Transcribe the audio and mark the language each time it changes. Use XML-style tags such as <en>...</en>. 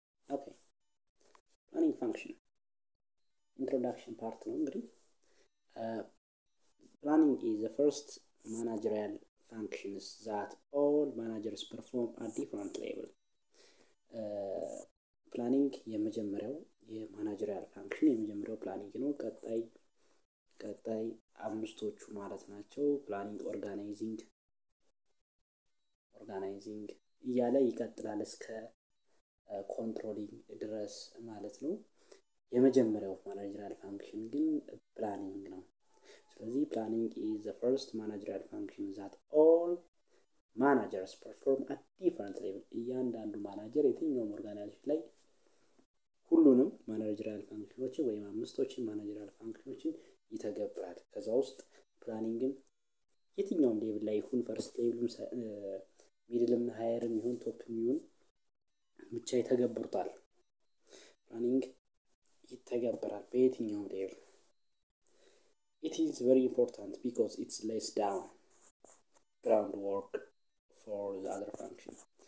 <en>ኦኬ ፕላኒንግ ፋንክሽን ኢንትሮዳክሽን ፓርት</en> <am>ነው እንግዲህ።</am> <en>ፕላኒንግ ኢዝ ዘ ፈርስት ማናጀሪያል functions that all managers perform at different level. Planning የመጀመሪያው የmanagerial function የመጀመሪያው planning ነው።</en> <am>ቀጣይ አምስቶቹ ማለት ናቸው።</am> <en>planning organizing</en> <am>እያለ ይቀጥላል እስከ</am> <en>controlling ድረስ ማለት ነው። የመጀመሪያው managerial function ግን planning ነው። ስለዚህ planning is the first managerial function that all managers perform at different level.</en> <am>እያንዳንዱ ማናጀር የትኛውም ኦርጋናይዜሽን ላይ ሁሉንም ማናጀሪያል ፋንክሽኖች ወይም አምስቶችን ማናጀሪያል ፋንክሽኖችን ይተገብራል። ከዛ ውስጥ ፕላኒንግም የትኛውም ሌቭል ላይ ይሁን ፈርስት ሌቭልም ሚድልም ሃየርም ይሁን ቶፕም ይሁን ብቻ ይተገብሩታል። ፕላኒንግ ይተገብራል በየትኛውም ሌቭል።</am> <en>It is very important because it lays down groundwork for the other functions.</en>